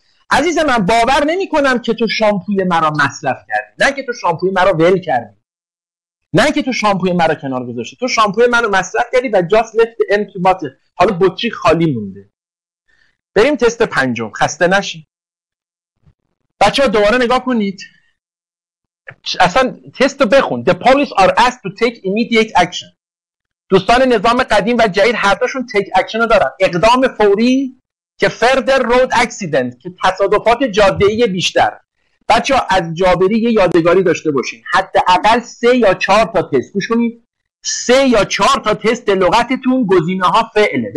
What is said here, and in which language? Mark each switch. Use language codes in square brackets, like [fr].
[fa] عزیز من باور نمی کنم که تو شامپوی مرا مصرف کردی، نه که تو شامپوی مرا ول کردی، نه که تو شامپوی مرا کنار گذاشتی، تو شامپوی منو مصرف کردی و [en] just left empty bottle، [fa] حالا بطری خالی مونده. بریم تست پنجم، خسته نشیم بچه ها، دوباره نگاه کنید، اصلا تست رو بخون. [en] The police are asked to take immediate action. [fa] دوستان نظام قدیم و جدید هر داشون [en] take action [fa] رو دارن، اقدام فوری که [en] further road accident، [fa] که تصادفات جاده‌ای بیشتر. بچه ها از جابری یه یادگاری داشته باشین، حداقل 3 یا 4 تا تست گوش کنید، 3 یا 4 تا تست لغتتون گزینه ها فعله.